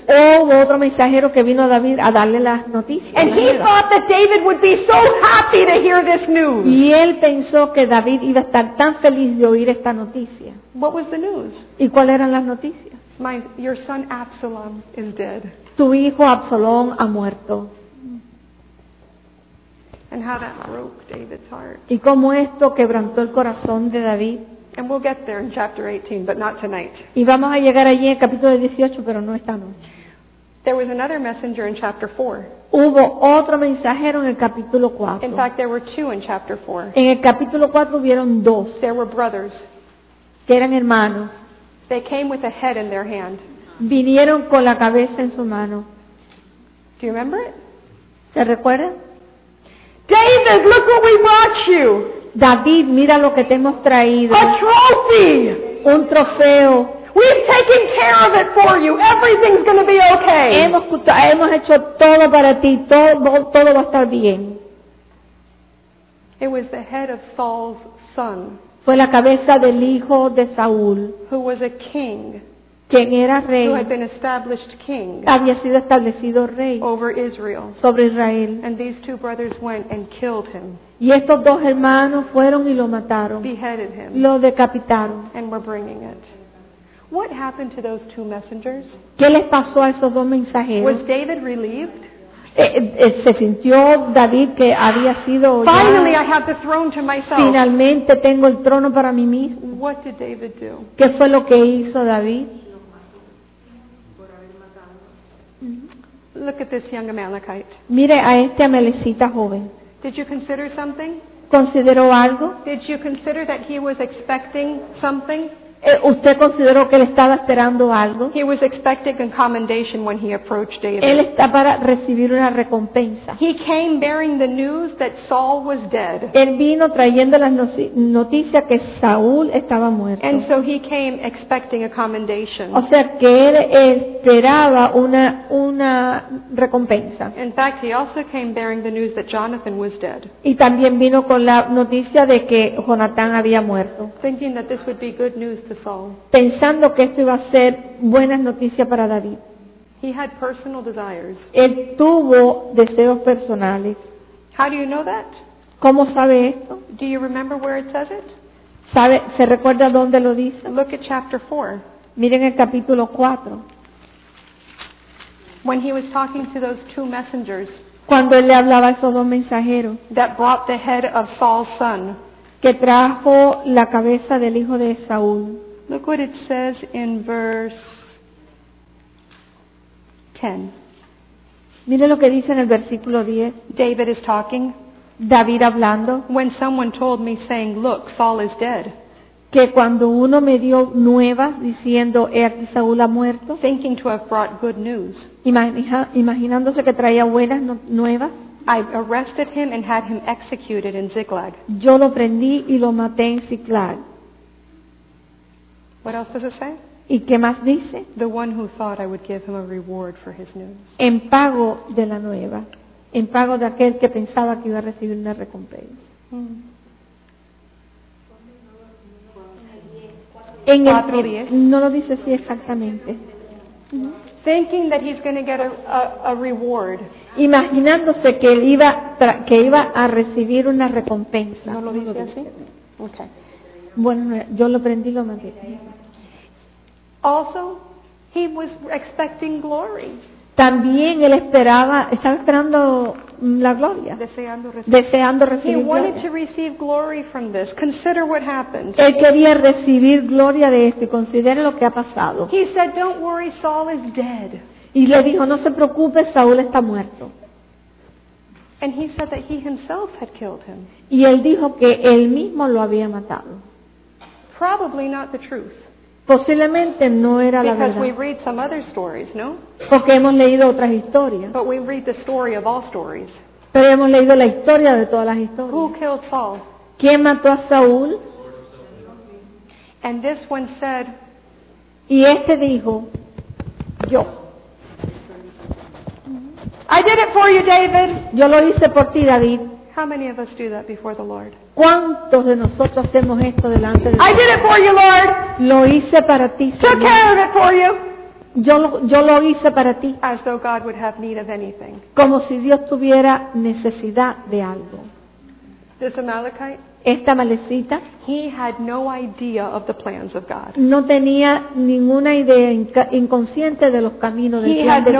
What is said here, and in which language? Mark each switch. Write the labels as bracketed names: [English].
[Spanish] Otro mensajero que vino a David a darle las noticias. [English] And he thought that David would be so happy to hear this news. [Spanish] Y él pensó que David iba a estar tan feliz de oír esta noticia. [English] What was the news? [Spanish] ¿Y cuáles eran las noticias? [English] Your son Absalom is dead. [Spanish] Tu hijo Absalón ha muerto. [English] And how that broke David's heart. [Spanish] Y cómo esto quebrantó el corazón de David. [English] And we'll get there in chapter 18, but not tonight. [Spanish] Y vamos a llegar allí en el capítulo 18, pero no esta noche. [English] There was another messenger in chapter 4. [Spanish] Hubo otro mensajero en el capítulo 4. [English] In fact, there were two in chapter 4. [Spanish] En el capítulo 4 hubieron dos. [English] There were brothers. [Spanish] Que eran hermanos. [English] They came with a head in their hand. [Spanish] Vinieron con la cabeza en su mano. [English] Do you remember it? [Spanish] ¿Se recuerdan? [English] David, look what we brought you. [Spanish] David, mira lo que te hemos traído. [English] A trophy. [Spanish] Un trofeo. [English] We've taken care of it for you. Everything's going to be okay. [Spanish] Hemos hecho todo para ti. Todo va a estar bien. [English] It was the head of Saul's son. [Spanish] Fue la cabeza del hijo de Saúl. [English] Who was a king. [Spanish] Quien era rey. [English] Who had been established king. [Spanish] Había sido establecido rey. [English] Over Israel. [Spanish] Sobre Israel. [English] And these two brothers went and killed him. [Spanish] Y estos dos hermanos fueron y lo mataron. [English] Beheaded him. [Spanish] Lo decapitaron. [English] And were bringing it. What happened to those two messengers? [Spanish] ¿Qué les pasó a esos dos mensajeros? [English] Was David relieved? [Spanish] Se sintió David que había sido ya, [English] finally I have the throne to myself. [Spanish] Finalmente tengo el trono para mí mismo. [English] What did David do? [Spanish] ¿Qué fue lo que hizo David? [English] Look at this young Amalekite. [Spanish] Mire a este amalecita joven. [English] Did you consider something? [Spanish] ¿Consideró algo? [English] Did you consider that he was expecting something? [Spanish] ¿Usted consideró que él estaba esperando algo? [English] He was expecting a commendation when he approached David. [Spanish] Él está para recibir una recompensa. [English] He came bearing the news that Saul was dead. [Spanish] Él vino trayendo la noticia que Saúl estaba muerto. [English] And so he came expecting a commendation. [Spanish] O sea, que él esperaba una recompensa. [English] In fact, he also came bearing the news that Jonathan was dead. [Spanish] Y también vino con la noticia de que Jonatán había muerto. [English] Thinking that this would be good news. [Spanish] Pensando que esto iba a ser buenas noticias para David. [English] He had personal desires. [Spanish] Él tuvo deseos personales. [English] How do you know that? [Spanish] ¿Cómo sabe esto? [English] Do you remember where it says it? [Spanish] ¿Sabe, se recuerda dónde lo dice? [English] Look at chapter 4. [Spanish] Miren el capítulo 4. [English] When he was talking to those two messengers. [Spanish] Cuando él le hablaba a esos dos mensajeros. [English] That brought the head of Saul's son. [Spanish] Que trajo la cabeza del hijo de Saúl. [English] Look what it says in verse 10. [Spanish] Mire lo que dice en el versículo 10. [English] David is talking. [Spanish] David hablando. [English] When someone told me saying, look, Saul is dead. [Spanish] Que cuando uno me dio nuevas diciendo, he aquí Saúl ha muerto. [English] Thinking to have brought good news. [Spanish] Imaginándose que traía buenas nuevas. [English] I arrested him and had him executed in Ziklag. [Spanish] Yo lo prendí y lo maté en Ziklag. [English] What else does it say? [Spanish] ¿Y qué más dice? [English] The one who thought I would give him a reward for his news. [Spanish] En pago de la nueva. En pago de aquel que pensaba que iba a recibir una recompensa. Mm-hmm. En el 4:10. No lo dice así exactamente. Mm-hmm. [English] Thinking that he's going to get a reward. [Spanish] Imaginándose que él iba que iba a recibir una recompensa. ¿No lo dice así? Okay. Bueno, yo lo aprendí lo mandé. [English] Also, he was expecting glory. [Spanish] También él estaba esperando la gloria. Deseando recibir gloria. [English] He wanted to receive glory from this. Consider what happened. [Spanish] Él quería recibir gloria de esto y considere lo que ha pasado. [English] He said, "Don't worry, Saul is dead." [Spanish] Y le dijo, "No se preocupe, Saúl está muerto." [English] And he said that he himself had killed him. [Spanish] Y él dijo que él mismo lo había matado. [English] Probably not the truth. [Spanish] Posiblemente no era la verdad. [English] Because we read some other stories, no? [Spanish] Porque hemos leído otras historias. [English] But we read the story of all stories. [Spanish] Pero hemos leído la historia de todas las historias. [English] Who killed Saul? [Spanish] ¿Quién mató a Saúl? [English] And this one said, [Spanish] y este dijo, yo. [English] I did it for you, David. [Spanish] Yo lo hice por ti, David. [English] How many of us do that before the Lord? [Spanish] ¿Cuántos de nosotros hacemos esto delante de Dios? [English] I did it for you, Lord. [Spanish] Lo hice para ti, Señor. [English] Took care of it for you. [Spanish] Yo lo hice para ti. [English] As though God would have need of anything. [Spanish] Como si Dios tuviera necesidad de algo. [English] This Amalekite. [Spanish] Esta malecita. [English] He had no idea of the plans of God. [Spanish] No tenía ninguna idea inconsciente de los caminos del plan de Dios.